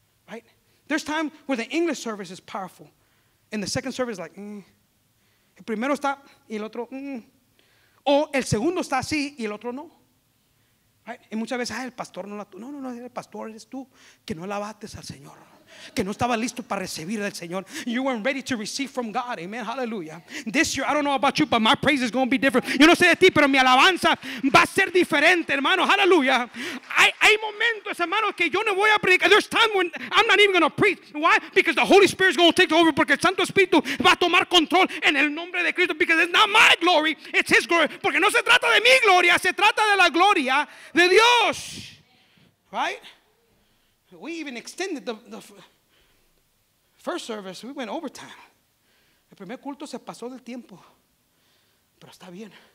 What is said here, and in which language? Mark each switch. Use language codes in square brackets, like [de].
[en] Right? There's times where the English service is powerful, and the second service is like, [es] El primero está y el otro, O el segundo está así y el otro no. Right? Y muchas veces, el pastor no la tuvo. No, el pastor eres tú que no alabates al Señor. Que no estaba listo para recibir del Señor. [en] You weren't ready to receive from God. Amen. Hallelujah. This year, I don't know about you, but my praise is going to be different. [es] Yo no sé de ti, pero mi alabanza va a ser diferente, hermano. Hallelujah. Hay momentos, hermano, que yo no voy a predicar. [en] There's time when I'm not even going to preach. Why? Because the Holy Spirit is going to take over. [es] Porque el Santo Espíritu va a tomar control en el nombre de Cristo. [en] Because it's not my glory, it's His glory. [es] Porque no se trata de mi gloria, se trata de la gloria de Dios. Right? [en] We even extended the first service. We went overtime. [es] El primer culto se pasó del tiempo. Pero está bien.